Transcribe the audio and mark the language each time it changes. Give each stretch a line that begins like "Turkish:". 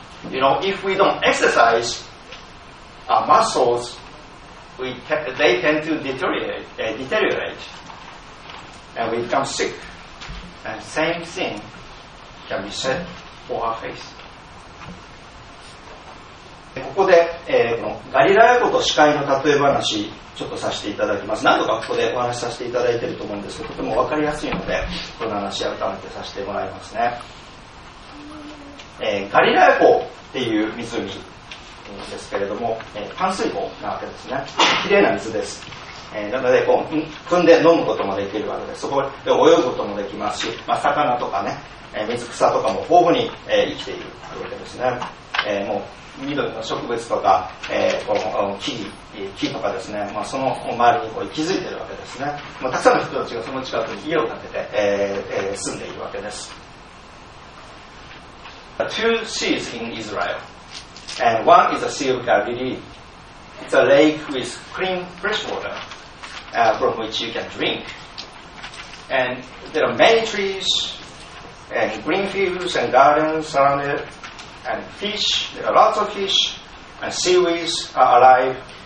English: You know, if we don't exercise our muscles, they tend to deteriorate, and we become sick. And same thing can be said for our faith.
Japanese: ここで、このガリラヤ湖と司会の例え話ちょっとさせていただきます。何度かここでお話しさせていただいていると思うんですけど、とても分かりやすいのでこの話を改めてさせてもらいますね。ガリラヤ湖っていう湖ですけれども、淡水湖なわけですね。きれいな水です。なのでこう汲んで飲むこともできるわけです。そこで泳ぐこともできますし、まあ、魚とかね、水草とかも豊富に、生きているわけですね。もう緑の植物とか、木とかですね、まあ、その周りにこう息づいているわけですね。まあ、たくさんの人たちがその近くに家を建てて、住んでいるわけです。
English: Two seas in Israel and one is the Sea of Galilee. It's a lake with clean fresh water、from which you can drink, and there are many trees and green fields and gardens around itAnd fish, there are lots of fish, and seaweeds are alive.